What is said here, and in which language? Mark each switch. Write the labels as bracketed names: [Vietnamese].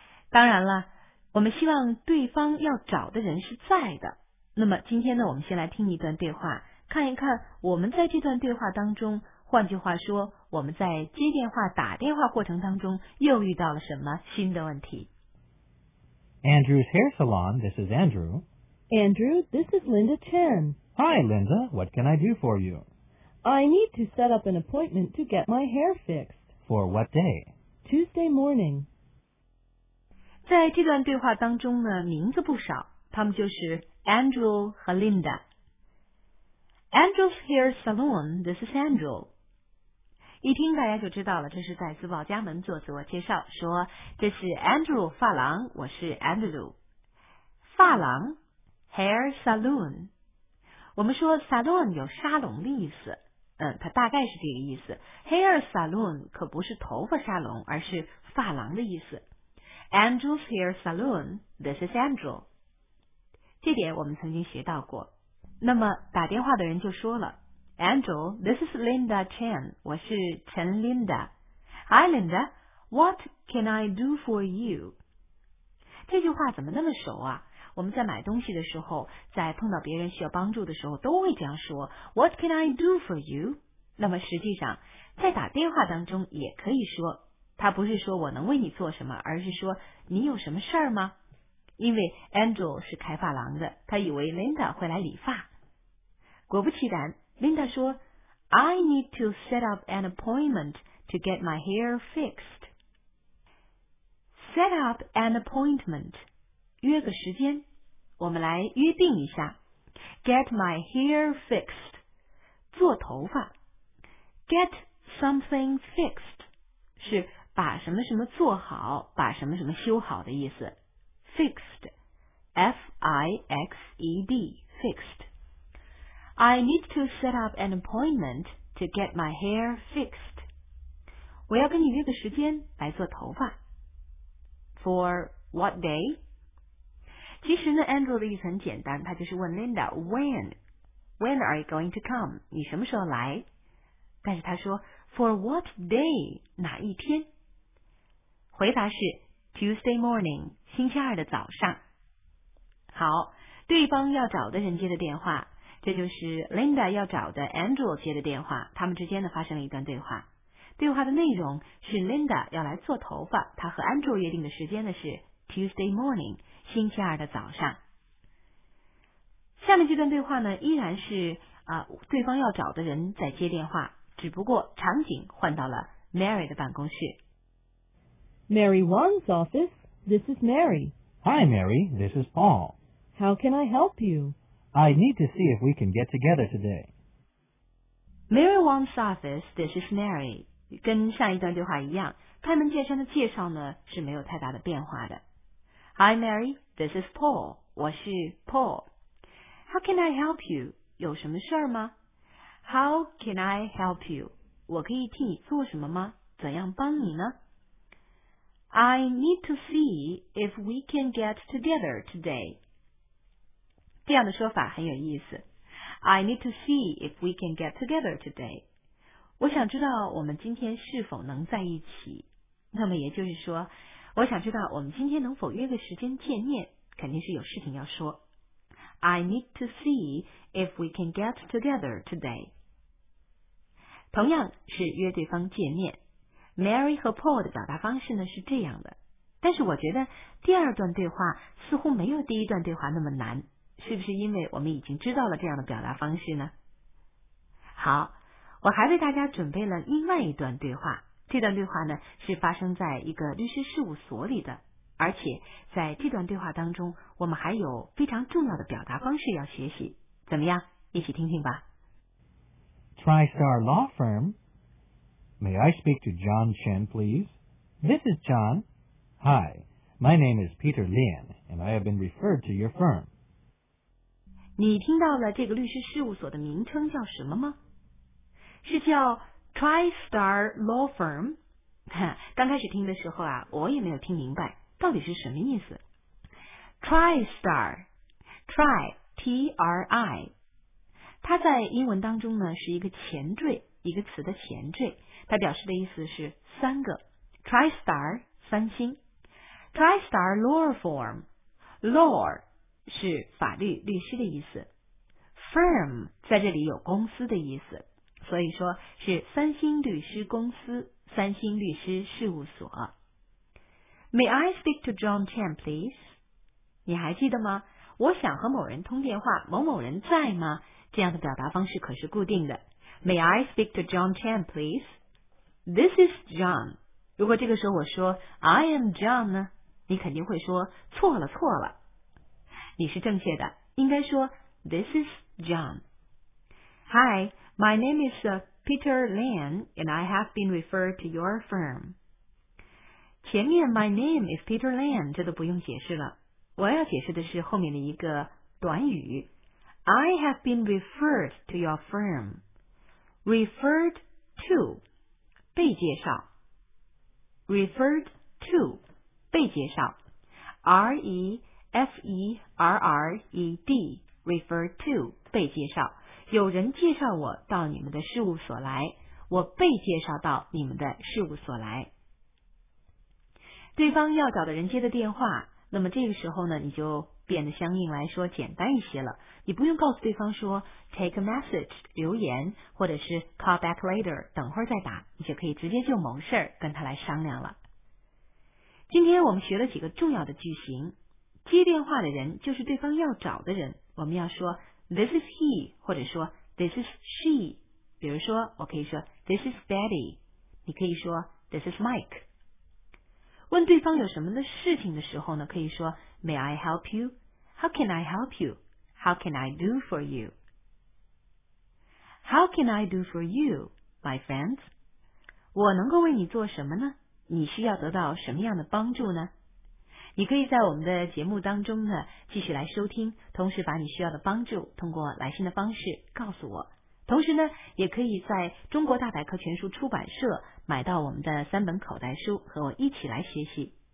[Chinese] 当然了，我们希望对方要找的人是在的。那么今天呢，我们先来听一段对话，看一看我们在这段对话当中，换句话说，我们在接电话、打电话过程当中又遇到了什么新的问题。 [English] Andrew's Hair Salon, this is Andrew. Andrew, this is Linda Chen. Hi, Linda, what can I do for you? I need to set up an appointment to get my hair fixed. For what day? Tuesday morning. [Chinese] 在这段对话当中呢，名字不少，他们就是 Andrew 和 Linda. [English] Andrew's Hair Salon, this is Andrew. [Chinese] 一听大家就知道了，这是在自报家门做自我介绍，说这是 Andrew 发廊，我是 Andrew. 发廊 Hair Salon. 我们说 Salon 有沙龙的意思，它大概是这个意思。 Hair Salon 可不是头发沙龙，而是发廊的意思。 [English] Andrew's Hair Salon, this is Andrew. [Chinese] 这点我们曾经学到过。那么打电话的人就说了 , [English] Andrew, this is Linda Chen, [Chinese] 我是陈 Linda. [English] Hi Linda, what can I do for you? [Chinese] 这句话怎么那么熟啊？我们在买东西的时候，在碰到别人需要帮助的时候，都会这样说 [English] What can I do for you? [Chinese] 那么实际上在打电话当中也可以说，他不是说我能为你做什么，而是说你有什么事儿吗？因为 Andrew 是开发廊的，他以为 Linda 会来理发。果不其然， Linda 说 [English] I need to set up an appointment to get my hair fixed. Set up an appointment. [Chinese] 约个时间，我们来约定一下。 [English] Get my hair fixed， [Chinese] 做头发。 [English] Get something fixed [Chinese] 是把什么什么做好，把什么什么修好的意思。 [English] Fixed， F-I-X-E-D， fixed。 I need to set up an appointment to get my hair fixed。 [Chinese] 我要跟你约个时间来做头发。 [English] For what day? [Chinese] 其实呢 ,Andrew 的意思很简单，他就是问 Linda, [English] when are you going to come? [Chinese] 你什么时候来？但是他说 [English] for what day? [Chinese] 哪一天？回答是 Tuesday morning, 星期二的早上。好，对方要找的人接的电话，这就是 Linda 要找的 Andrew 接的电话，他们之间呢发生了一段对话。对话的内容是 Linda 要来做头发，他和 Andrew 约定的时间呢是 Tuesday morning,星期二的早上。下面这段对话呢依然是对方要找的人在接电话，只不过场景换到了 Mary 的办公室。 [English] Mary Wong's office. This is Mary. Hi, Mary. This is Paul. How can I help you? I need to see if we can get together today. Mary Wong's office. This is Mary. [Chinese] 跟上一段对话一样，开门见山的介绍呢是没有太大的变化的。 [English] Hi, Mary. This is Paul. 我是 Paul. How can I help you? [Chinese] 有什么事儿吗？ [English] How can I help you? [Chinese] 我可以替你做什么吗？怎样帮你呢？ [English] I need to see if we can get together today. [Chinese] 这样的说法很有意思。 [English] I need to see if we can get together today. [Chinese] 我想知道我们今天是否能在一起。那么也就是说，我想知道我们今天能否约个时间见面，肯定是有事情要说。 [English] I need to see if we can get together today. [Chinese] 同样是约对方见面， Mary 和 Paul 的表达方式呢是这样的，但是我觉得第二段对话似乎没有第一段对话那么难，是不是因为我们已经知道了这样的表达方式呢？好，我还为大家准备了另外一段对话，这段对话呢是发生在一个律师事务所里的，而且在这段对话当中，我们还有非常重要的表达方式要学习。怎么样？一起听听吧。 [English] TriStar Law Firm. May I speak to John Chen, please? This is John. Hi, my name is Peter Lin, and I have been referred to your firm. [Chinese] 你听到了这个律师事务所的名称叫什么吗？是叫 TriStar Law Firm? 刚开始听的时候啊，我也没有听明白。到底是什么意思？ TriStar，Tri T R I， 它在英文当中呢是一个前缀，一个词的前缀，它表示的意思是三个。 TriStar 三星 ，TriStar Law Firm，Law 是法律律师的意思 ，Firm 在这里有公司的意思，所以说是三星律师公司，三星律师事务所。 [English] May I speak to John Chen, please? [Chinese] 你还记得吗？我想和某人通电话，某某人在吗？这样的表达方式可是固定的。 [English] May I speak to John Chen, please? This is John. [Chinese] 如果这个时候我说 [English] I am John [Chinese] 呢？你肯定会说错了错了。你是正确的，应该说 This is John. [English] Hi, my name is Peter Lin and I have been referred to your firm. [Chinese] 前面 [English] my name is Peter Lin [Chinese] 这都不用解释了，我要解释的是后面的一个短语 [English] I have been referred to your firm. [Chinese] Referred to 被介绍， Referred to 被介绍， R-E-F-E-R-R-E-D Referred to 被介绍，有人介绍我到你们的事务所来，我被介绍到你们的事务所来。对方要找的人接的电话，那么这个时候呢，你就变得相应来说简单一些了。你不用告诉对方说 [English] take a message [Chinese] 留言，或者是 [English] call back later [Chinese] 等会儿再打，你就可以直接就某事儿跟他来商量了。今天我们学了几个重要的句型，接电话的人就是对方要找的人，我们要说 [English] this is he [Chinese] 或者说 [English] this is she。 [Chinese] 比如说，我可以说 [English] this is Betty， [Chinese] 你可以说 [English] this is Mike。 [Chinese] 问对方有什么的事情的时候呢，可以说 [English] May I help you? How can I help you? How can I do for you? How can I do for you, my friends? [Chinese] 我能够为你做什么呢？你需要得到什么样的帮助呢？你可以在我们的节目当中呢继续来收听，同时把你需要的帮助通过来信的方式告诉我。同时呢，也可以在中国大百科全书出版社买到我们的三本口袋书，和我一起来学习。